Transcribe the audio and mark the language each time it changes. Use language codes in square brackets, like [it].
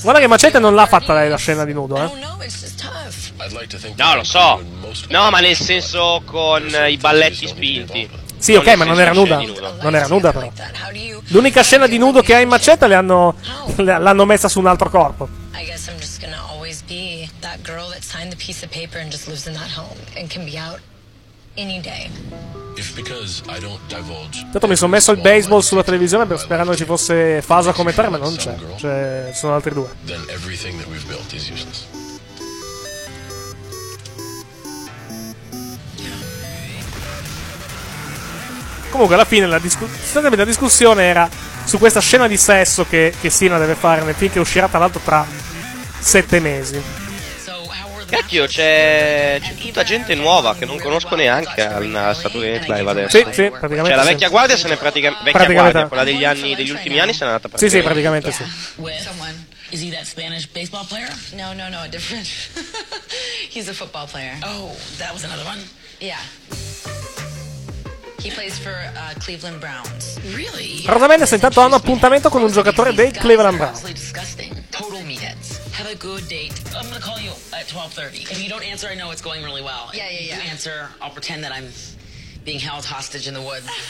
[it] Guarda che Macete non l'ha fatta lei la scena di nudo, No, lo so. No, ma nel senso con i balletti spinti. Sì, ok, ma non era nuda. Non era nuda, però. L'unica scena di nudo che ha in Macetta l'hanno messa su un altro corpo. [en] I guess I'm just gonna always be that girl that signed the piece of paper and just lives in that home and can be out any day. If because I don't divulge. [it] Tanto mi sono messo il baseball sulla televisione per sperando che ci fosse Fasa come te, ma non c'è. Cioè, ci sono altri due. [en] Then everything that we've built is useless. [it] Comunque alla fine la discussione era su questa scena di sesso che Sina deve fare nel film che uscirà tra l'altro tra 7 mesi. Cacchio, c'è tutta gente nuova che non conosco neanche a Saturday Night Live adesso. Sì, praticamente. Cioè la vecchia guardia se ne pratica, praticamente. Guardia, quella degli anni, degli ultimi anni se n'è andata praticamente. Sì, praticamente sì. [en] Is he that Spanish baseball player? No, a different. He's a football player. Oh, that was another one? Yeah. He plays for Cleveland Browns. Really? [it] Praticamente se intanto hanno appuntamento con un giocatore dei Cleveland Browns. [en] Total meatheads. Have a good date. I'm gonna call you at 12:30. If you don't answer, I know it's going really well. Yeah. If you answer, I'll pretend that I'm being held hostage in the woods.